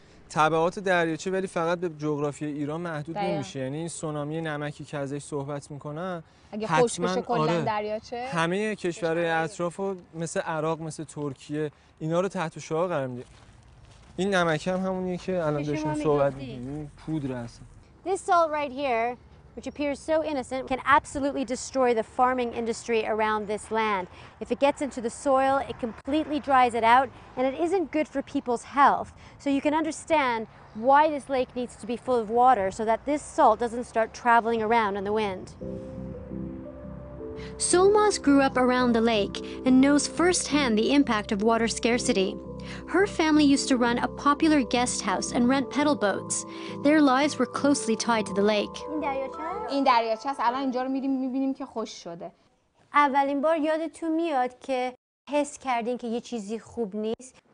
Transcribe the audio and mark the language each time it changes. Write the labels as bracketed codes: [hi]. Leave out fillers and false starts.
[fa] تبعات دریاچه ولی فقط به جغرافی ایران محدود نمیشه، یعنی این سونامی نمکی که ازش صحبت میکنن اگه خوش بشه کلا آره. دریاچه همه کشورهای اطراف رو مثل عراق، مثل ترکیه، اینا رو تحت شعاع قرار میده. این نمک هم همونیه که الان داشتم صحبت میکنیم، پودر هست. [en] This salt right here, which appears so innocent, can absolutely destroy the farming industry around this land. If it gets into the soil, it completely dries it out, and it isn't good for people's health. So you can understand why this lake needs to be full of water so that this salt doesn't start traveling around in the wind. Solmaz grew up around the lake and knows firsthand the impact of water scarcity. Her family used to run a popular guest house and rent pedal boats. Their lives were closely tied to the lake. [fa] این دریاچه است. الان اینجا رو می‌بینیم که خوش شده. اولین بار یادتون میاد که حس کردین که یه چیزی خوب نیست؟